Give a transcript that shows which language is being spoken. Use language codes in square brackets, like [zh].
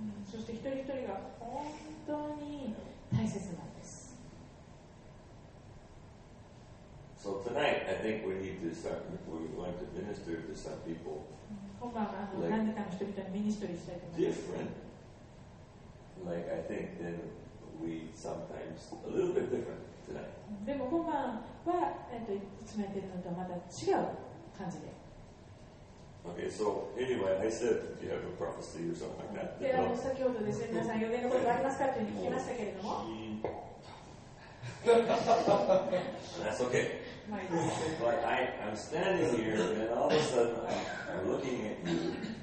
[ja] そして一人一人が本当に大切なんです。 [en] So tonight, I think we need to start. We're going to minister to some people. [ja] 今晩は何人かの人々にミニストリーしたいと思います。 [en] Different, like I think, then we sometimes a little bit different tonight. [ja] でも今晩はいつもやってるのとはまた違う感じで。 [en] Okay, so anyway, I said if you have a prophecy or something like that. [ja] で、先ほどですね、皆さん予言のことがありますかというふうに聞きましたけれども。 [en] That's okay. But I'm standing here, and all of a sudden I'm looking at you.